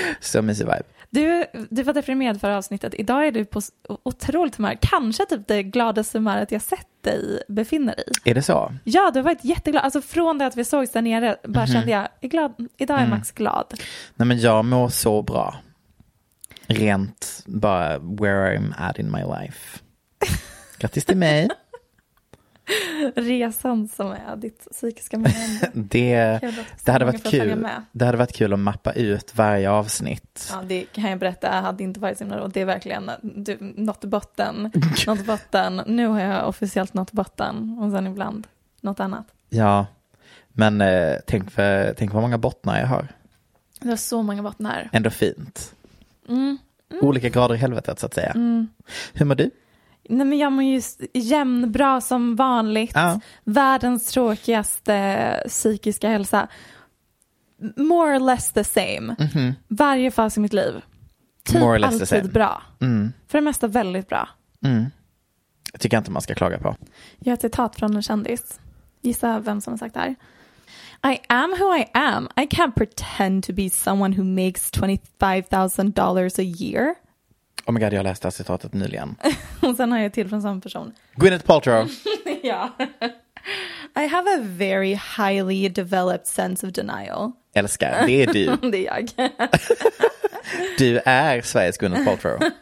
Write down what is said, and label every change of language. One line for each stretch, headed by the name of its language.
Swedish: Så mysig vibe. Du var deprimerad för avsnittet. Idag är du på otroligt humör. Kanske typ det gladaste humöret jag sett dig befinner i. Är det så? Ja, du har varit jätteglad. Alltså från det att vi sågs där nere bara kände jag, idag är Max glad. Nej, men jag mår så bra. Rent bara
English: where I'm at in my life.
Swedish: Grattis till mig. Resan som är ditt psykiska mående. Det hade varit kul. Det hade varit kul att mappa ut varje avsnitt. Ja, det kan jag berätta. Jag hade inte varit så himla, och det är verkligen du nått botten. Nått botten. Nu har jag officiellt nått botten och sen ibland något annat. Ja. Men tänk på hur många bottnar jag har. Du har så många bottnar. Ändå fint. Olika grader i helvetet så att säga. Hur mår du? Nej, men jag mår ju jämnbra som vanligt. Ah. Världens tråkigaste psykiska hälsa.
English: More or less the same. Mm-hmm.
Swedish: Varje fas i mitt liv.
English: Typ more or less alltid the same. Bra. Mm.
Swedish: För det mesta väldigt bra. Mm. Tycker jag inte man ska klaga på. Jag har ett citat från en kändis. Gissa vem som har sagt det här.
English: I am who I am. I can't pretend to be someone who makes $25,000 a year. Oh my god,
Swedish: jag har läst det här citatet nyligen. Och sen har jag till från samma person. Gwyneth Paltrow.
English: Ja. I have a very highly developed sense of denial.
Swedish: Älskar, det är du. Det är jag. Du är Sveriges Gwyneth Paltrow.